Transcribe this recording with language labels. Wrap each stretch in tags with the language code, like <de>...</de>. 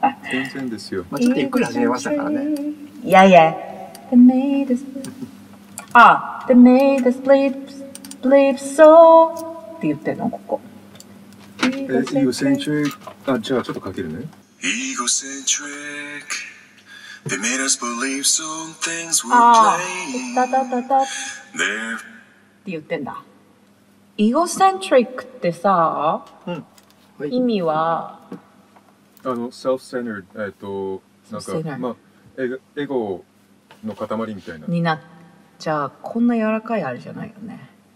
<ja>全然ですよ。まあ、ちょっとゆっくり始めましたからね。いやいや。</ja> <en>The maid is...</en> <ja>あ、</ja> <en>The maid is sleep so...</en> <ja>って言ってんの、ここ。</ja> <en>Egocentric。</en> <ja>あ、じゃあちょっとかけるね。</ja> <en>Egocentric。 They made us believe some things were playing.</en> <ja>ああ、たたたた。って言ってんだ。エゴセントリックってさ、うん、はい、意味は、あの、self-centered、なんか、まあ、エゴの塊みたいな。になっちゃあ、こんな柔らかいあれじゃないよね。</ja>